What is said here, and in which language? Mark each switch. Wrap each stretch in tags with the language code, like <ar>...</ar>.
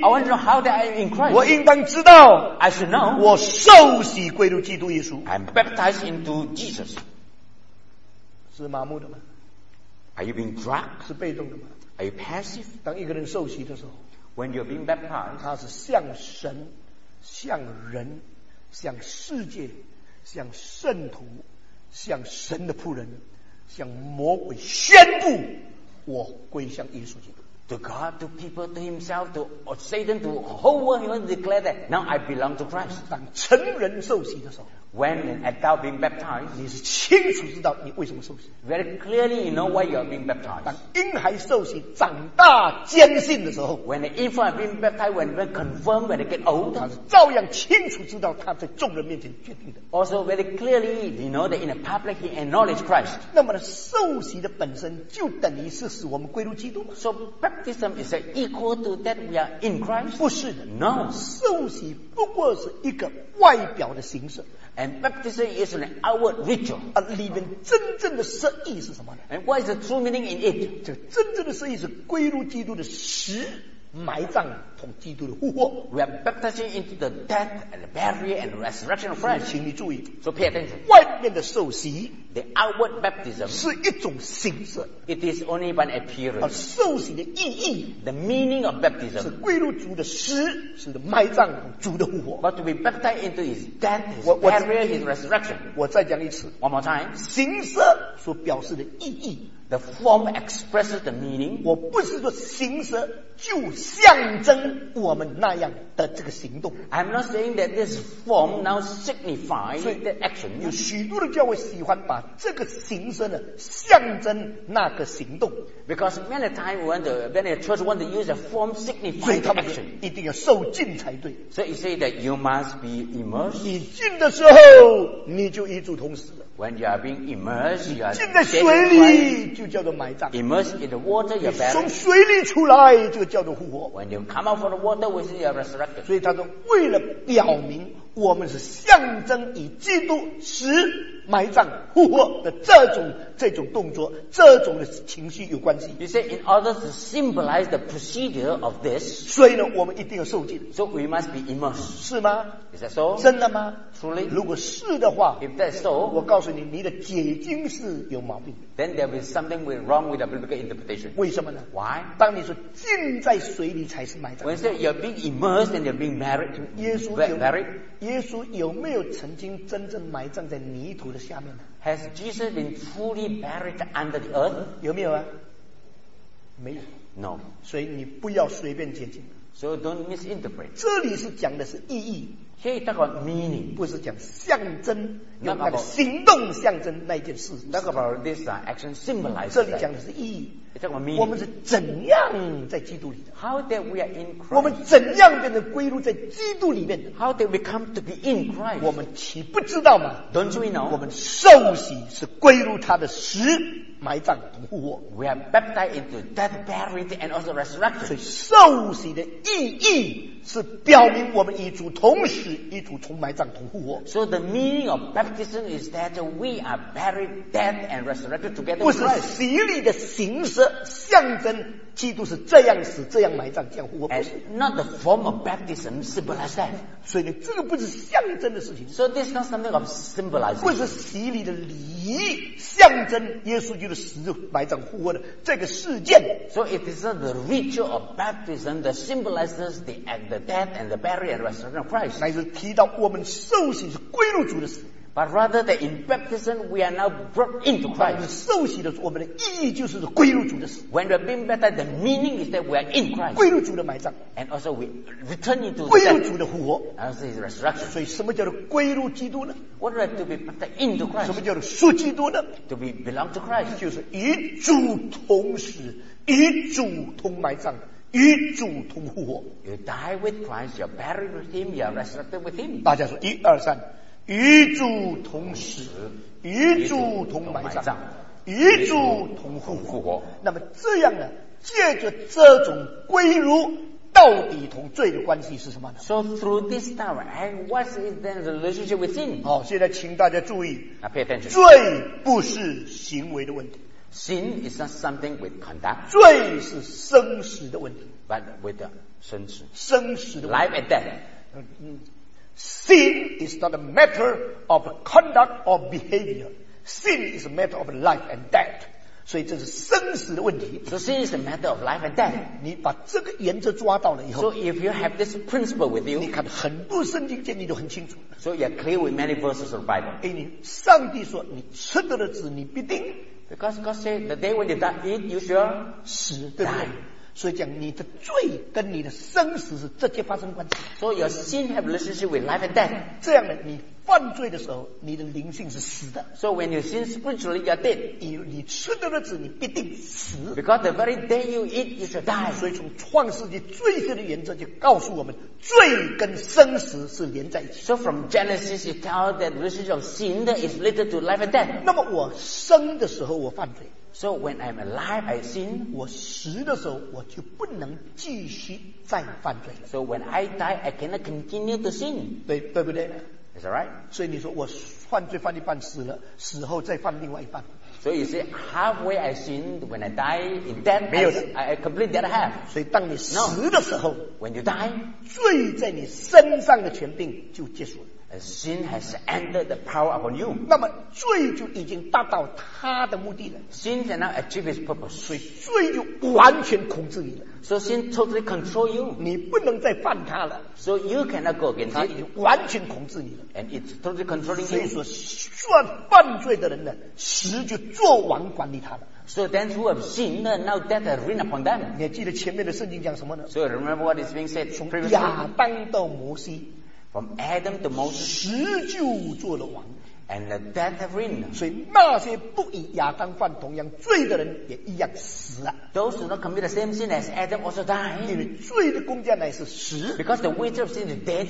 <en>I want to know how that I am in Christ.</en> <zh>我应当知道。</zh> <en>I should know.</en> <zh>我受洗归入基督耶稣。</zh> <en>I'm baptized into Jesus.</en> <zh>是麻木的吗？</zh> <en>Are you being drunk?</en> <zh>是被动的吗？</zh> <en>Are you passive?</en> <zh>当一个人受洗的时候。</zh> <en>When you're being baptized,</en> <zh>他是向神、向人、向世界、向圣徒、向神的仆人、向魔鬼宣布，我归向耶稣基督。</zh> <en>To God, to people, to himself, to Satan, to whole world, he wants to declare that now I belong to Christ.</en> <zh>当成人受洗的时候。</zh> <en>When an adult being baptized,</en> <zh>你是清楚知道你为什么受洗。</zh> <en>Very clearly you know why you are being baptized.</en> <zh>当婴孩受洗长大坚信的时候。</zh> <en>When an infant is being baptized, when they confirm, when they get old,</en> <zh>他是照样清楚知道他在众人面前决定的。</zh> <en>Also very clearly you know that in a public he acknowledged Christ.</en> <zh>那么受洗的本身就等于是使我们归入基督吗？</zh> <en>So baptism is equal to that we are in Christ?</en> <zh>不是的。</zh> <en>No.</en> <zh>受洗不过是一个外表的形式。</zh> <en>And baptism is an outward ritual.</en> <zh>里面真正的实意是什么呢？</zh> <en>And what is the true meaning in it?</en> <zh>这真正的实意是归入基督的死、埋葬同基督的复活。</zh> <en>We are baptizing into the death and the burial and resurrection of Christ.</en> <zh>请你注意。</zh> <en>So pay attention.</en> <zh>外面的受洗</zh> <en>，the outward baptism</en> <zh>是一种形式。</zh> <en>It is only by an appearance.</en> <zh>受洗的意义</zh> <en>，the meaning of baptism</en> <zh>是归入主的死，是埋葬同主的复活。</zh> <en>But to be baptized into his death, his burial, his resurrection.</en> <zh>我再讲一次</zh> <en>，one more time.</en> <zh>形式所表示的意义。</zh> <en>The form expresses the meaning.</en> <zh>我不是说形式就象征我们那样的这个行动。</zh> <en>I'm not saying that this form now signifies the action.</en> <zh>有许多的教会喜欢把这个形式呢象征那个行动。</zh> <en>Because many times when the church want to use a form signify the action,</en> <zh>一定要受浸才对。</zh> <en>So you say that you must be immersed.</en> <zh>你浸的时候，你就与主同死了。</zh> <en>When you are being immersed, you are</en> <zh>浸在水里就叫做埋葬。</zh> <en>Immersed in the water, you're buried.</en> <zh>从水里出来就叫做复活。</zh> <en>When you come out from the water, we say you're resurrected.</en> <zh>所以他说，为了表明我们是象征以基督死、埋葬、复活的这种动作，这种的情绪有关系。</zh> <en>He said, in order to symbolize the procedure of this,</en> <zh>所以呢，我们一定要受浸。</zh> <en>So we must be immersed.</en> <zh>是吗？</zh> <en>Is that so?</en> <zh>真的吗？</zh> <en>Truly?</en> <zh>如果是的话，</zh> <en>if that's so,</en> <zh>我告诉你，你的解经是有毛病。</zh> <en>Then there is something wrong with the biblical interpretation.</en> <zh>为什么呢？</zh> <en>Why?</en> <zh>当你说浸在水里才是埋葬。</zh> <en>When you say you're being immersed and you're being married,</en> <zh>耶稣有 married? 耶稣有没有曾经真正埋葬在泥土的下面呢？</zh> <en>Has Jesus been fully buried under the earth?</en> <zh>有没有啊？没有。</zh> <en>No.</en> <zh>所以你不要随便解经。</zh> <en>So don't misinterpret.</en> <zh>这里是讲的是意义。所以这个 meaning 不是讲象征，用那个行动象征那件事。</zh> <en>Talk about this action symbolize.</en> <zh>这里讲的是意义。这个 meaning 我们是怎样在基督里的</zh> <en>？How that we are in Christ.</en> <zh>我们怎样变成归入在基督里面</zh> <en>？How that we come to be in Christ.</en> <zh>我们岂不知道吗</zh> <en>？Don't we know?</en> <zh>我们受洗是归入他的死。埋葬不复活</zh> <en>We are baptized into death, buried, and also resurrected.</en> <zh>所以受洗的意义是表明我们与主同死，与主从埋葬同复活</zh> <en>So the meaning of baptism is that we are buried, dead, and resurrected together.</en> <zh>不是洗礼的形式象征基督是这样死，这样埋葬，这样复活。</zh> <en>And not the form of baptism symbolizes that.</en> <zh>所以这个不是象征的事情。</zh> <en>So this is not something of symbolizing.</en> <zh>不是洗礼的礼仪象征耶稣基督死、埋葬、复活的这个事件。</zh> <en>So it is not the ritual of baptism that symbolizes the death and the burial and resurrection of Christ.</en> <zh>乃是提到我们受洗是归入主的死。</zh> <en>But rather that in baptism we are now brought into Christ.</en> <zh>我们受洗的时候，我们的意义就是归入主的死。</zh> <en>When we are being baptized, the meaning is that we are in Christ.</en> <zh>归入主的埋葬。</zh> <en>And also we return into</en> <zh>归入主的复活。</zh> <en>And also his resurrection.</en> <zh>所以什么叫做归入基督呢</zh> <en>？What does to be baptized into Christ?</en> <zh>什么叫做属基督呢</zh> <en>？To be belong to Christ.</en> <zh>就是与主同死，与主同埋葬。与主同复活</zh> <en>You die with Christ, you're buried with him, you're resurrected with him.</en> <zh>大家说一二三，与主同死，与主同埋葬，与主同复活。那么这样呢？借着这种归入，到底同罪的关系是什么呢</zh> <en>？So through this time, and what is then the relationship with sin?</en> <zh>好，现在请大家注意</zh> <en>Now, pay attention.</en> <zh>罪不是行为的问题。</zh> <en>Sin is not something with conduct.</en> <zh>罪是生死的问题。</zh> <en>But with the 生死。</en> <zh>生死的问题。</zh> <en>Life and death. Sin is not a matter of conduct or behavior. Sin is a matter of life and death.</en> <zh>所以这是生死的问题。</zh> <en>So sin is a matter of life and death.</en> <zh>你把这个原则抓到了以后。</zh> <en>So if you have this principle with you.</en> <zh>你看很多圣经经你都很清楚。</zh> <en>So you're clear with many verses of the Bible.</en> <zh>因为上帝说你吃得的子你必定。</zh> <en>Because God said, the day when you die, eat, you shall die.</en> <zh>所以讲你的罪跟你的生死是直接发生关系。</zh> <en>So your sin have relationship with life and death.</en> <zh>这样的你犯罪的时候，你的灵性是死的。</zh> <en>So when you sin spiritually, you are dead.</en> <zh>你吃的日子你必定死。</zh> <en>Because the very day you eat, you shall die.</en> <zh>所以从创世纪罪性的原则就告诉我们，罪跟生死是连在一起。</zh> <en>So from Genesis, it tells that relationship of sin is related to life and death.</en> <zh>那么我生的时候我犯罪。</zh> <en>So when I'm alive, I sin.</en> <zh>我死的时候，我就不能继续再犯罪了。</zh> <en>So when I die, I cannot continue to sin.</en> <zh>对不对</zh> <en>？Is that right?</en> <zh>所以你说我犯罪犯一半死了，死后再犯另外一半。</zh> <en>So you say halfway I sin when I die in death.</en> <zh>没有的</zh> <en>，I complete the other half.</en> <zh>所以当你死的时候</zh> <en>，When you die,</en> <zh>罪在你身上的权柄就结束了。</zh> <en>And sin has ended the power upon you.</en> <zh>那么罪就已经达到他的目的了。</zh> <en>Sin can now achieve its purpose.</en> <zh>所以罪就完全控制你了。</zh> <en>So sin totally control you.</en> <zh>你不能再犯他了。</zh> <en>So you cannot go against it.</en> <zh>已经完全控制你了。</zh> <en>And it's totally controlling you.</en> <zh>所以说，算犯罪的人呢，死就做完管理他了。</zh> <en>So then who have sinned, now death has reigned upon them.</en> <zh>你还记得前面的圣经讲什么呢</zh> <en>？So remember what is being said.</en> <zh>从亚当到摩西。</zh> <en>From Adam to Moses,</en> <zh>死就做了王</zh> <en>and the death have reigned.</en> <zh>所以那些不与亚当犯同样罪的人也一样死了。</zh> <en>Those who not commit the same sin as Adam also die.</en> <zh>因为罪的工价乃是死。</zh> <en>Because the wage of sin is death.</en>